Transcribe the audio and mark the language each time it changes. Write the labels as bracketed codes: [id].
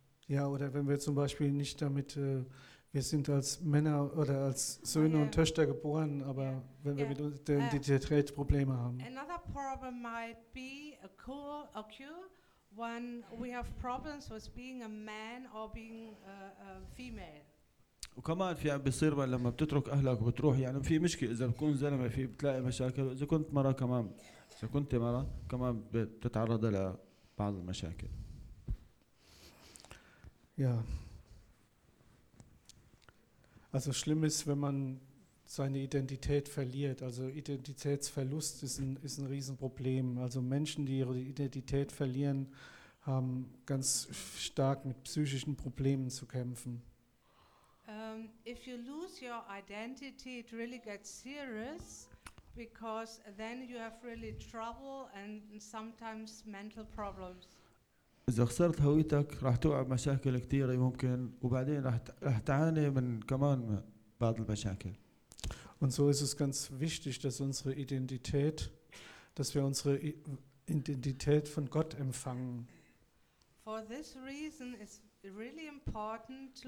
[de] Ja, oder wenn wir zum Beispiel nicht damit, wir sind als Männer oder als Söhne und Töchter geboren, aber wenn wir mit Identität Probleme haben. [en] Another problem might be a cure when we have problems with being a man or being a female. [ar] وكمان في عم بيصير لما بتترك أهلك وبتروح يعني في مشكلة إذا بكون زلمة في بتلاقي مشاكل إذا كنت مرة كمان. كنت مرة كمان بتتعرض لبعض المشاكل. [en] Yeah. [de] Also schlimm ist, wenn man seine Identität verliert. Also Identitätsverlust ist ein Riesenproblem. Also Menschen, die ihre Identität verlieren, haben ganz stark mit psychischen Problemen zu kämpfen. [en] If you lose your identity, it really gets serious. Because then you have really trouble and sometimes mental problems. [ar] إذا خسرت هويتك راح توقع مشاكل كثيرة ممكن وبعدين راح تعاني من كمان بعض المشاكل. [de] Und so ist es ganz wichtig, dass unsere Identität, dass wir unsere Identität von Gott empfangen. [en] For this reason, it's really important to.